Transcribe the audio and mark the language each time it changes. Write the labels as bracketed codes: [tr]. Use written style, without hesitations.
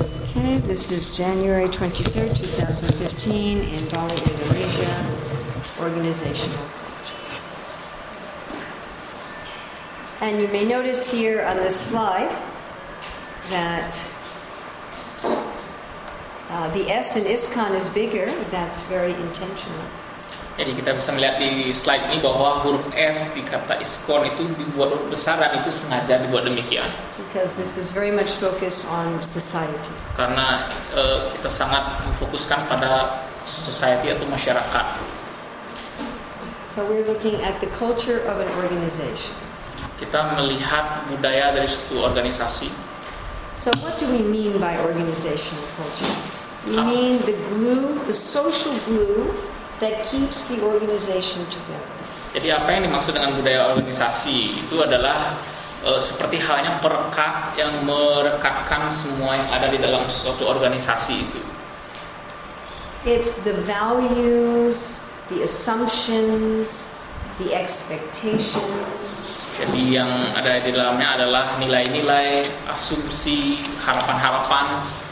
[en] Okay, this is January 23rd, 2015, in Bali, Indonesia, organizational. And you may notice here on this slide that the S in ISKCON is bigger. That's very intentional. [id] Jadi kita bisa melihat di slide ini bahwa huruf S di kata ISKCON itu dibuat besar dan itu sengaja dibuat demikian. [en] Because this is very much focused on society. [id] Karena kita sangat memfokuskan pada society atau masyarakat. [en] So we're looking at the culture of an organization. [id] Kita melihat budaya dari suatu organisasi. [en] So what do we mean by organizational culture? We mean the glue, the social glue that keeps the organization together. [id] Jadi apa yang dimaksud dengan budaya organisasi itu adalah seperti halnya perekat yang merekatkan semua yang ada di dalam suatu organisasi itu. [en] It's the values, the assumptions, the expectations. [id] Jadi yang ada di dalamnya adalah nilai-nilai, asumsi, harapan-harapan,